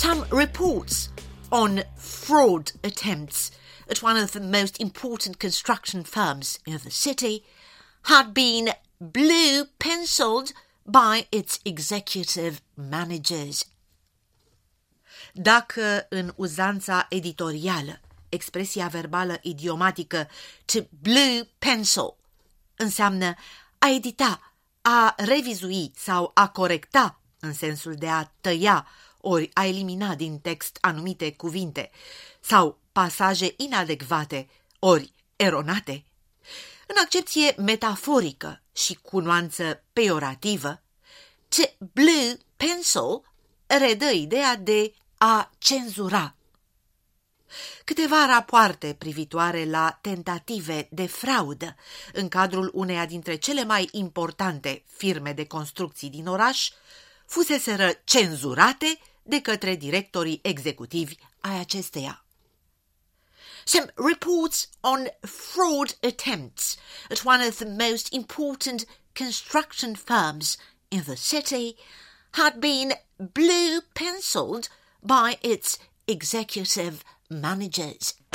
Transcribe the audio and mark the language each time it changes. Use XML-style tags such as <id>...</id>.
<en>reports on fraud attempts at one of the most important construction firms in the city had been blue-penciled by its executive managers.</en> <ro>Dacă în uzanța editorială expresia verbală idiomatică to blue pencil înseamnă a edita, a revizui sau a corecta, în sensul de a tăia ori a elimina din text anumite cuvinte sau pasaje inadecvate ori eronate, în accepție metaforică și cu nuanță peiorativă, to blue pencil redă ideea de a cenzura. Câteva rapoarte privitoare la tentative de fraudă în cadrul uneia dintre cele mai importante firme de construcții din oraș fuseseră cenzurate de către directorii executivi ai acesteia.</ro> <en>Some reports on fraud attempts at one of the most important construction firms in the city had been blue-penciled by its executive managers.</en>